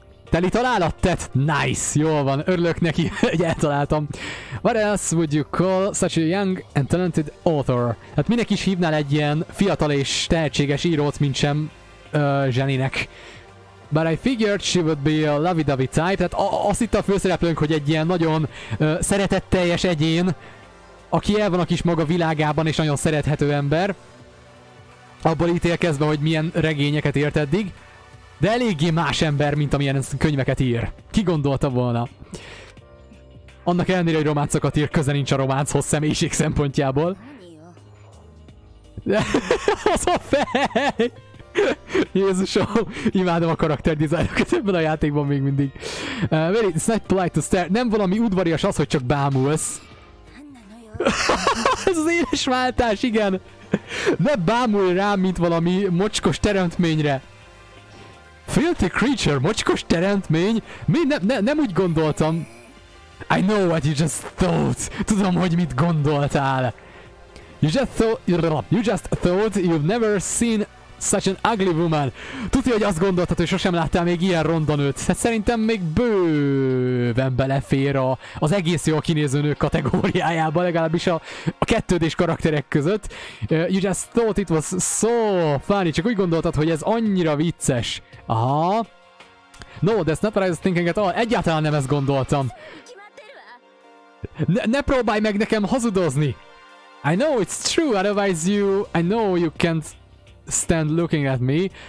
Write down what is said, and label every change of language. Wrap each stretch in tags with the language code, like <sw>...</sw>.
<hu>Teli találat, Tet? Nice, jól van, örülök neki, hogy eltaláltam.</hu> <en>What else would you call such a young and talented author?</en> <hu>Hát minek is hívnál egy ilyen fiatal és tehetséges írót, mint sem Jenny-nek.</hu> <en>But I figured she would be a lovey-dovey type.</en> <hu>Tehát azt itt a főszereplőnk, hogy egy ilyen nagyon szeretetteljes egyén, aki el van a kis maga világában és nagyon szerethető ember. Abból ítélkezve, hogy milyen regényeket írt eddig. De eléggé más ember, mint amilyen könyveket ír. Ki gondolta volna? Annak ellenére, hogy románcokat ír, köze nincs a románchoz személyiség szempontjából. Az a fej! Jézusom, imádom a karakter dizájnokat ebben a játékban még mindig.</hu> <en>Very, it's not polite to stare.</en> <hu>Nem valami udvarias az, hogy csak bámulsz. Ez az éles váltás, igen. Ne bámulj rám, mint valami mocskos teremtményre.</hu> <en>Filthy creature,</en> <hu>mocskos teremtmény? Mi? Nem úgy gondoltam.</hu> <en>I know what you just thought.</en> <hu>Tudom, hogy mit gondoltál.</hu> <en>You just thought you've never seen such an ugly woman.</en> <hu>Tudja, hogy azt gondoltad, hogy sosem láttál még ilyen ronda nőt. Hát szerintem még bőven belefér az egész jól kinéző nők kategóriájába, legalábbis a kettődés karakterek között.</hu> <en>You just thought it was so funny.</en> <hu>Csak úgy gondoltad, hogy ez annyira vicces. Aha.</hu> <en>No, that's not what I was thinking at all.</en> <hu>Egyáltalán nem ezt gondoltam. Ne próbálj meg nekem hazudozni.</hu> <en>I know it's true, otherwise you can't stand looking at me.</en>